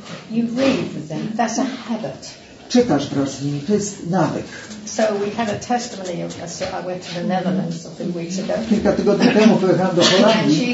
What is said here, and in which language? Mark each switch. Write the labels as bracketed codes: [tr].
[en] You read with them. That's a habit. [pl] czytasz wraz z nimi, to jest nawyk. [en] So we had a testimony of us. So I went to the Netherlands a few weeks ago. [pl] Kilka tygodni temu pojechałam do Holandii.